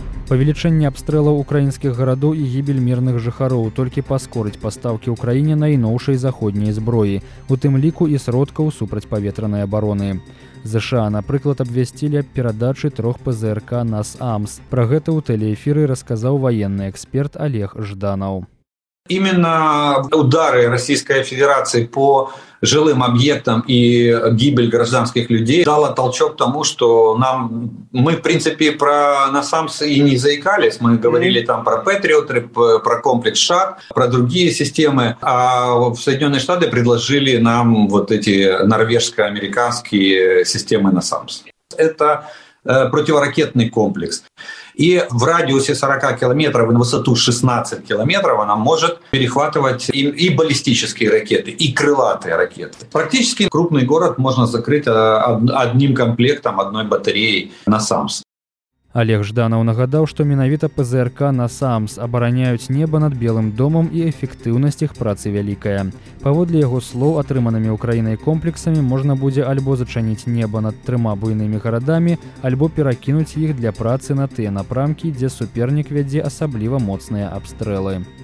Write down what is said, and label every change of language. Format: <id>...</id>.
<be>Павелічэнне абстрэлаў украінскіх гарадоў і гібель мірных жыхароў толькі паскорыць пастаўкі Украіне найноўшай заходняй зброі, у тым ліку і сродкаў супрацьпаветранай абароны. ЗША, напрыклад, абвясцілі аб перадачы трох ПЗРК НАС АМС. Пра гэта ў тэлеэфіры расказаў ваенны эксперт Олег Жданаў.</be> <ru>Именно удары Российской Федерации по жилым объектам и гибель гражданских людей дало толчок тому, что нам, мы, в принципе, про НАСАМС и не заикались. Мы говорили там про Патриоты, про комплекс ШАГ, про другие системы. А в Соединенные Штаты предложили нам вот эти норвежско-американские системы НАСАМС. Это противоракетный комплекс. И в радиусе 40 километров и на высоту 16 километров она может перехватывать и баллистические ракеты, и крылатые ракеты. Практически крупный город можно закрыть одним комплектом, одной батареей НАСАМС.</ru> <be>Олег Жданаў нагадаў, што менавіта ПЗРК НАСАМС абараняюць неба над Белым домам і эфектыўнасць іх працы вялікая. Паводле яго слоў, атрыманымі Украінай комплексамі можна будзе альбо зачыніць неба над трыма буйнымі гарадамі, альбо перакінуць іх для працы на тыя напрамкі, дзе супернік вядзе асабліва моцныя абстрэлы.</be>